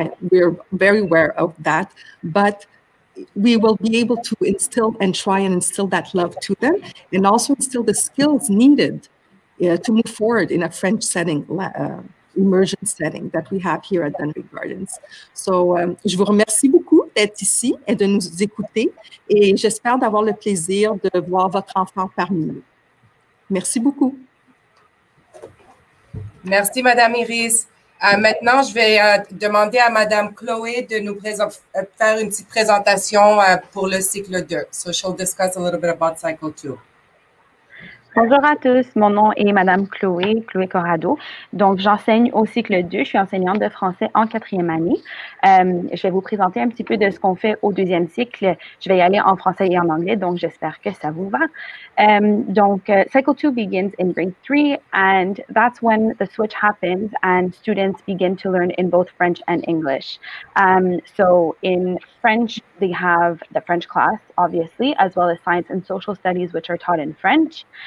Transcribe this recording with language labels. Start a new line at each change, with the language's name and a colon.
English: We're very aware of that, but we will be able to instill and try and instill that love to them and also instill the skills needed to move forward in a French setting, immersion setting that we have here at Dunrae Gardens.
French: So, je vous remercie beaucoup d'être ici et de nous écouter et j'espère d'avoir le plaisir de voir votre enfant parmi nous. Merci beaucoup. Merci, Madame Iris. Maintenant, je vais demander à Madame Chloé de nous faire une petite présentation pour le cycle 2.
English: So she'll discuss a little bit about cycle 2.
French: Bonjour à tous. Mon nom est Madame Chloé Corrado. Donc, j'enseigne au cycle 2. Je suis enseignante de français en quatrième année. Je vais vous présenter un petit peu de ce qu'on fait au deuxième cycle. Je vais y aller en français et en anglais, donc j'espère que ça vous va.
English: Cycle 2 begins in grade 3, and that's when the switch happens and students begin to learn in both French and English. So in French, they have the French class, obviously, as well as science and social studies, which are taught in French.